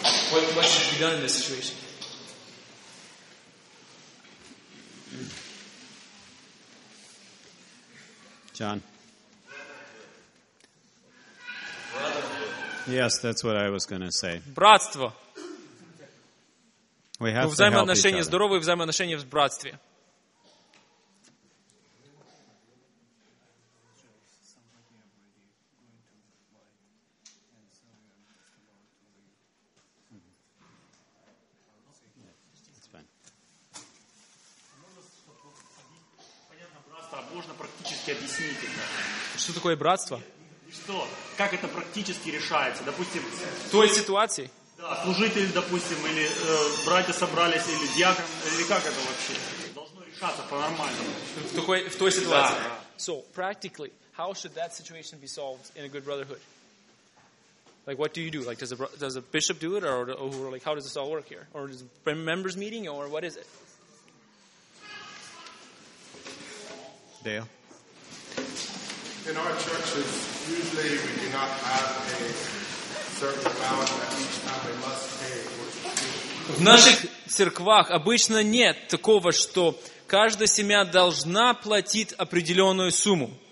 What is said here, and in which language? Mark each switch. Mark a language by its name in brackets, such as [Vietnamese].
[English] What should be done in this situation? John. Yes, that's what I was going to say. [Russian] Братство. [English] We have [Russian] взаимоотношения, здоровые взаимоотношения в братстве. Что такое братство? Что? Как это практически решается? Допустим, в той ситуации? Да, служитель, допустим, или братья собрались, или диакон, или как это вообще? Должно решаться по-нормальному. В той ситуации? Да. [English] So, practically, how should that situation be solved in a good brotherhood? Like, what do you do? Like, does a bishop do it? Or like, how does this all work here? Or is it a members meeting, or what is it? Dale? In our churches, usually we do not have a certain amount that each family must pay for. [Russian] В наших церквах обычно нет такого, что каждая семья должна платить определенную сумму.